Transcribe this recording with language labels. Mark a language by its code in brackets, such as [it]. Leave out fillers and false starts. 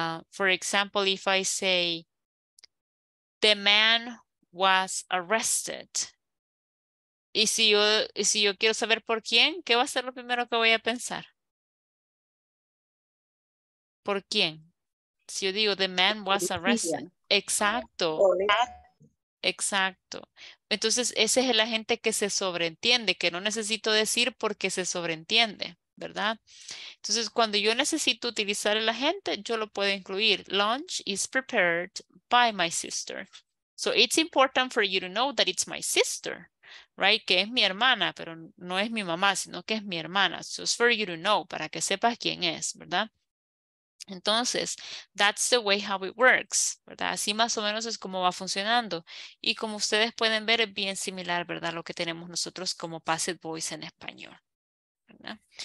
[en] For example, if I say the man was arrested. [es] Y si yo quiero saber por quién, ¿qué va a ser lo primero que voy a pensar? ¿Por quién? Si yo digo, the man was arrested. Exacto. Exacto. Entonces, ese es el agente que se sobreentiende, que no necesito decir porque se sobreentiende, ¿verdad? Entonces, cuando yo necesito utilizar el agente, yo lo puedo incluir. [en] Lunch is prepared by my sister. So it's important for you to know that it's my sister, right? [es] Que es mi hermana, pero no es mi mamá, sino que es mi hermana. [en] So it's for you to know, para que sepas quién es, ¿verdad? Entonces, that's the way how it works, ¿verdad? [es] Así más o menos es como va funcionando. Y como ustedes pueden ver, es bien similar, ¿verdad? Lo que tenemos nosotros como passive voice en español, ¿verdad?